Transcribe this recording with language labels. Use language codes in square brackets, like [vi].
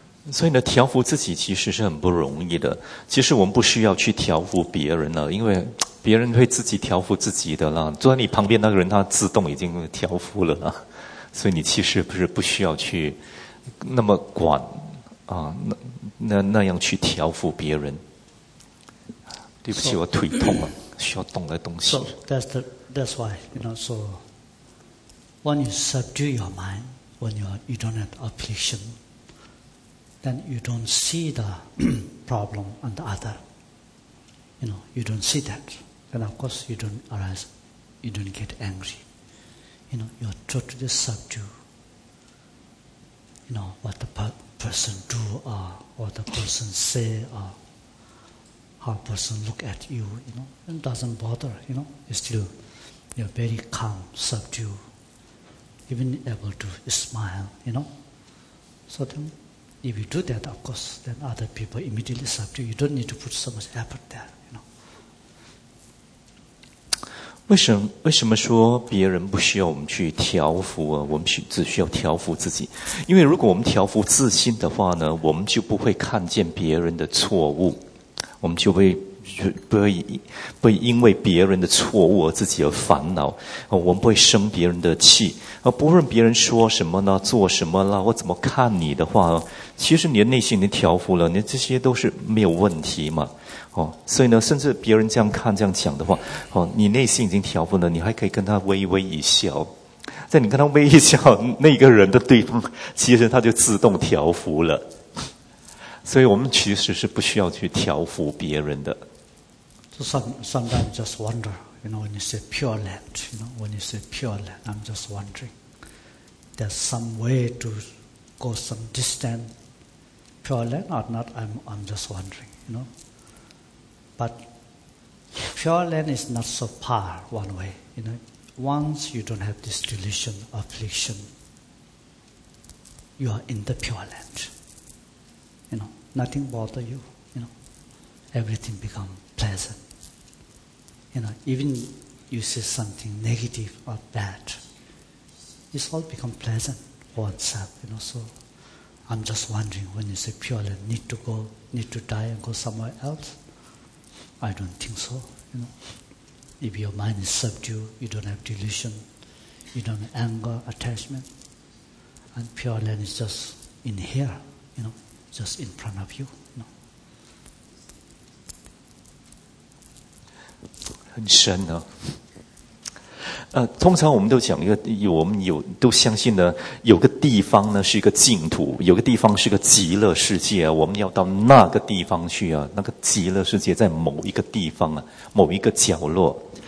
[zh] 所以呢，调服自己其实是很不容易的。其实我们不需要去调服别人了，因为别人会自己调服自己的啦，坐在你旁边那个人他自动已经调服了啦，所以你其实不是不需要去那么管啊，那样去调服别人。对不起，我腿痛了，需要动来动去。 [en] So that's why So when you subdue your mind, when you don't have affliction, then you don't see the problem on the other. You don't see that. And of course, you don't arise, you don't get angry. You're totally subdued. What the person do, or what the person say, or how a person look at you, it doesn't bother, You're still, you're very calm, subdued, even able to smile, So then, If you do that, of course, then other people immediately subdue. You don't need to put so much effort there, you know. [zh] 为什么说别人不需要我们去调伏啊？我们只需要调伏自己，因为如果我们调伏自信的话呢，我们就不会看见别人的错误，我们就会不会因为别人的错误而自己而烦恼，我们不会生别人的气，不论别人说什么呢，做什么了，我怎么看你的话，其实你的内心已经调伏了，你这些都是没有问题嘛，所以呢，甚至别人这样看这样讲的话，你内心已经调伏了，你还可以跟他微微一笑，在你跟他微一笑，那个人的对方其实他就自动调伏了，所以我们其实是不需要去调伏别人的。 [en] Sometimes just wonder, you know, when you say pure land, you know, when you say pure land, I'm just wondering, there's some way to go some distance, pure land or not, I'm just wondering, you know. But pure land is not so far one way, you know. Once you don't have this delusion, affliction, you are in the pure land, you know, nothing bother you, you know, everything become pleasant. You know, even you say something negative or bad, it's all become pleasant for oneself, you know. So I'm just wondering, when you say pure land, need to go, need to die and go somewhere else? I don't think so, you know. If your mind is subdued, you don't have delusion, you don't have anger, attachment, and pure land is just in here, you know, just in front of you. [zh] 很深啊，通常我们都讲一个，我们有都相信呢，有个地方呢是一个净土，有个地方是个极乐世界啊，我们要到那个地方去啊，那个极乐世界在某一个地方啊，某一个角落。